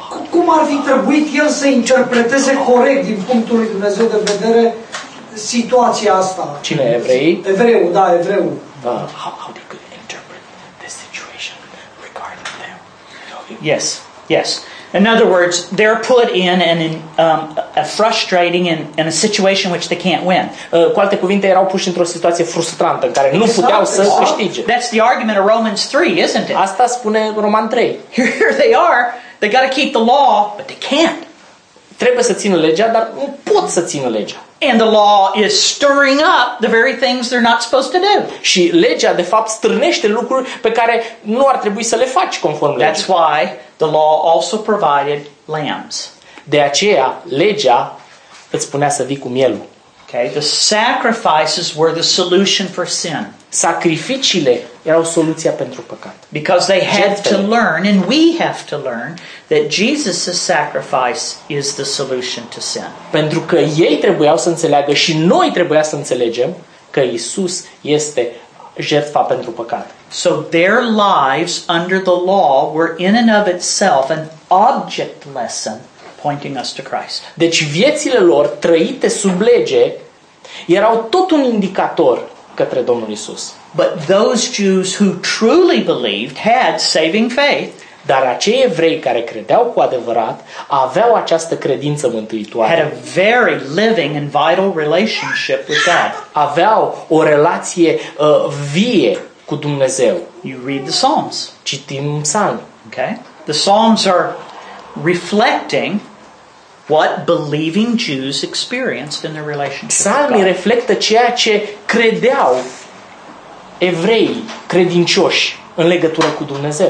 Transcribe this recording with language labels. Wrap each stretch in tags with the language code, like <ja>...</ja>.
<ro>Cum ar fi trebuit el să interpreteze corect din punctul lui Dumnezeu de vedere situația asta? Cine, evrei? Evreu, da, evreu.</ro> <en>How they could interpret the situation regarding them? Yes, yes. In other words, they're put in a frustrating and a situation which they can't win.</en> <ro>Cu alte cuvinte, erau puși într-o situație frustrantă în care nu puteau să câștige.</ro> <en>That's the argument of Romans 3, isn't it?</en> <ro>Asta spune Roman 3.</ro> <en>Here they are, they got to keep the law, but they can't.</en> <ro>Trebuie să țină legea, dar nu pot să țină legea.</ro> <en>And the law is stirring up the very things they're not supposed to do.</en> <ro>Și legea de fapt strânește lucruri pe care nu ar trebui să le faci conform legii.</ro> <en>That's why the law also provided lambs.</en> <ro>De aceea legea îți spunea să vii cu mielul. Ok.</ro> <en>Okay, the sacrifices were the solution for sin.</en> <ro>Sacrificiile erau soluția pentru păcat.</ro> <en>Because they had to learn, and we have to learn, that Jesus' sacrifice is the solution to sin.</en> <ro>Pentru că ei trebuiau să înțeleagă și noi trebuia să înțelegem că Iisus este jertfa pentru păcat.</ro> <en>So their lives under the law were in and of itself an object lesson pointing us to Christ.</en> <ro>Deci viețile lor trăite sub lege erau tot un indicator către Domnul Iisus.</ro> <en>But those Jews who truly believed had saving faith.</en> <ro>Dar acei evrei care credeau cu adevărat aveau această credință mântuitoare.</ro> <en>Had a very living and vital relationship with God.</en> <ro>Aveau o relație vie cu Dumnezeu.</ro> <en>You read the Psalms.</en> <ro>Citim psalmi.</ro> <en>Okay. The Psalms are reflecting what believing Jews experienced in their relationship.</en> <ro>Psalmii reflectă ceea ce credeau evrei credincioși în legătură cu Dumnezeu.</ro>